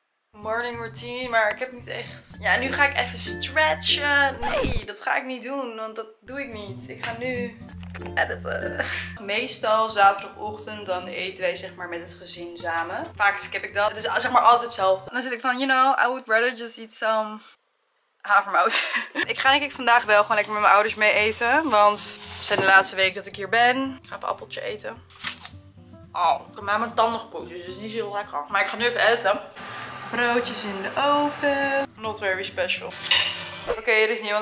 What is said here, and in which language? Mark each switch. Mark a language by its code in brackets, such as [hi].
[nl] Morning routine, maar ik heb niet echt... Ja, nu ga ik even stretchen. Nee, dat ga ik niet doen, want dat doe ik niet. Ik ga nu editen. Meestal zaterdagochtend, dan eten wij zeg maar met het gezin samen. Vaak skip ik dat. Het is zeg maar altijd hetzelfde. Dan zit ik van, [en] you know, I would rather just eat some havermout. [nl] Ik ga denk ik vandaag wel gewoon lekker met mijn ouders mee eten, want... Het zijn de laatste week dat ik hier ben. Ik ga even een appeltje eten. Oh, ik heb mijn tanden gepoetst, dus het is niet zo lekker. Maar ik ga nu even editen. Broodjes in de oven. [en] Not very special. [nl] Oké, er is niemand.